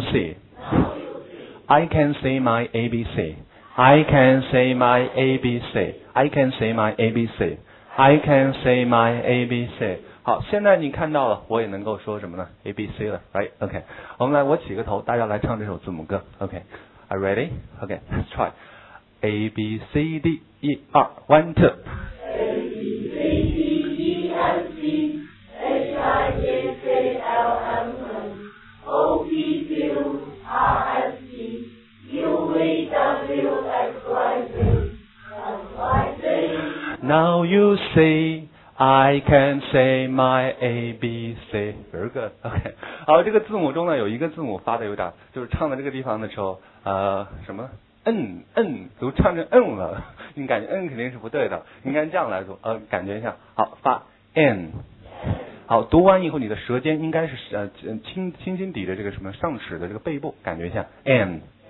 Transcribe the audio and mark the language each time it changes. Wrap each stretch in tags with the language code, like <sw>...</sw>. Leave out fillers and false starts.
<en>see， I can say my ABC， I can say my ABC。 I can say my ABC. I can say my ABC.</en> <zh>好，现在你看到了，我也能够说什么呢 ？ABC 了 ，right?</zh> <en>OK.</en> <zh>我们来，我起个头，大家来唱这首字母歌。</zh> <en>OK. Are ready? OK. Let's try. A B C D</en> <zh>一二</zh> <en>，one two. A B C D E F G H I J K L M N O P Q R S T U V W X Y Z. Now you see, I can say my A B C. Very good. OK.</en> <zh>好，这个字母中呢有一个字母发的有点，就是唱到这个地方的时候，什么 N N 都唱成 N 了，你感觉 N 肯定是不对的，应该这样来读，感觉一下。好，发 N。好，读完以后，你的舌尖应该是轻轻抵着这个什么上齿的这个背部，感觉一下 N。</zh>